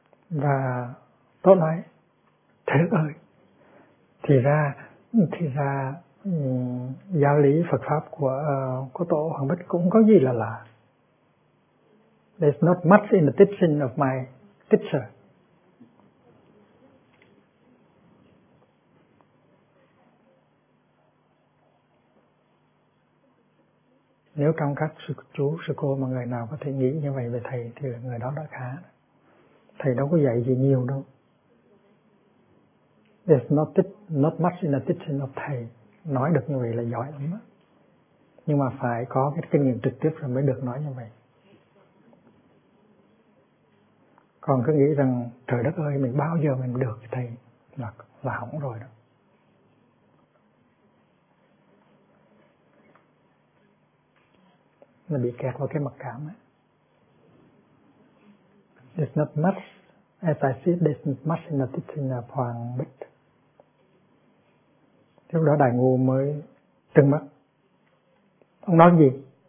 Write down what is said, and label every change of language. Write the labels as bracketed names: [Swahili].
[Vietnamese] Và Tổ nói, thế ơi, thì ra giáo lý Phật Pháp của Tổ Hoàng Bích cũng có gì là lạ. [English] There's not much in the teaching of my teacher. [Vietnamese] Nếu trong các sư cô mà người nào có thể nghĩ như vậy về thầy thì người đó đã khá. Thầy đâu có dạy gì nhiều đâu. [English] There's not much in the teaching of thầy. [Vietnamese] Nói được như vậy là giỏi lắm. Nhưng mà phải có cái kinh nghiệm trực tiếp rồi mới được nói như vậy. Còn cứ nghĩ rằng trời đất ơi, mình bao giờ mình được thầy là hỏng rồi đó. Nó bị kẹt vào cái mặc cảm ấy. [English] There's not much, as I see, there's not much in the teaching of Hoàng Bích. [Vietnamese] Lúc đó Đại Ngu mới trừng mắt. Ông nói gì?